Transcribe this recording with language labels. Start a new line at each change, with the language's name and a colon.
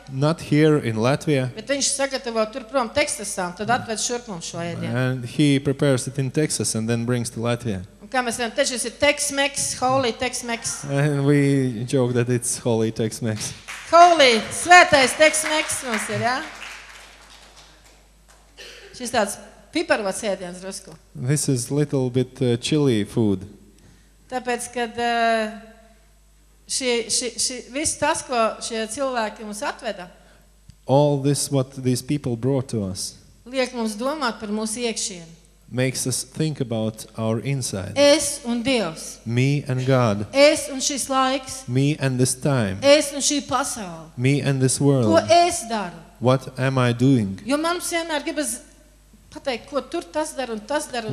English: Not here in Latvia.
Latvian: Bet viņš sagatavo turprom Teksasā, tad atved šurp mums šo ēdienu.
English: And he prepares it in Texas and then brings to Latvia.
Latvian: Un kā mēs varam teikt, šis ir Tex-Mex, Holy Tex-Mex.
English: And we joke that it's Holy Tex-Mex.
Latvian: Holy, svētais Tex-Mex mums ir, ja? Šis tāds piparvots ēdiens drusku.
English: This is little bit chili food.
Latvian: Tāpēc, kad šī viss tas, ko šie cilvēki mums atveda.
English: All this what these people brought to us.
Latvian: Liek mums domāt par mūsu iekšienu.
English: Makes us think about our inside.
Latvian: Es un Dievs.
English: Me and God.
Latvian: Es un šis laiks.
English: Me and this time.
Latvian: Es un šī pasaule.
English: Me and this world.
Latvian: Ko es daru?
English: What am I doing?
Latvian: Jo man vienmēr gribas pateikt, ko tur tas dar un tas dar un